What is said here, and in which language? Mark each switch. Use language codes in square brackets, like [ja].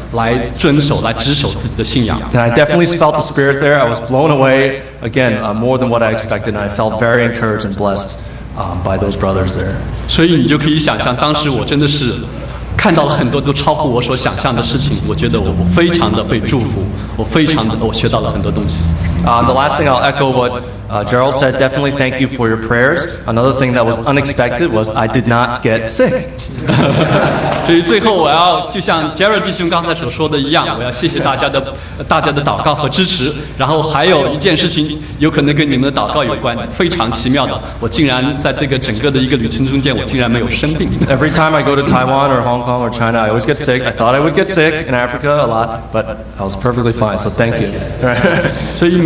[zh] 当时坐在后排的一位赞比亚的弟兄就举起手来，他说：“我要鼓励你们，你们要看到那个但以理书第一章第二章，你们要像但以理一样。当时的政府有这样的要求，但是你们作为神的子民，你们应该怎么样来智慧的来遵守、来执守自己的信仰。” [en] And I definitely felt the spirit there. I was blown away again, more than what I expected. And I felt very encouraged and blessed by those brothers there. [zh] 所以你就可以想象，当时我真的是。看到了很多都超乎我所想象的事情，我觉得我非常的被祝福，我非常的我学到了很多东西。 [en] The last thing I'll echo what Gerald said, definitely thank you for your prayers. Another thing that was unexpected was I did not get sick. [zh] 所以最后我要就像 Gerald 弟兄刚才所说的一样，我要谢谢大家的祷告和支持。然后还有一件事情，有可能跟你们的祷告有关，非常奇妙的，我竟然在这个整个的一个旅程中间，我竟然没有生病。 [en] Every time I go to Taiwan or Hong Kong or China, I always get sick. I thought I would get sick in Africa a lot, but I was perfectly fine, so thank you.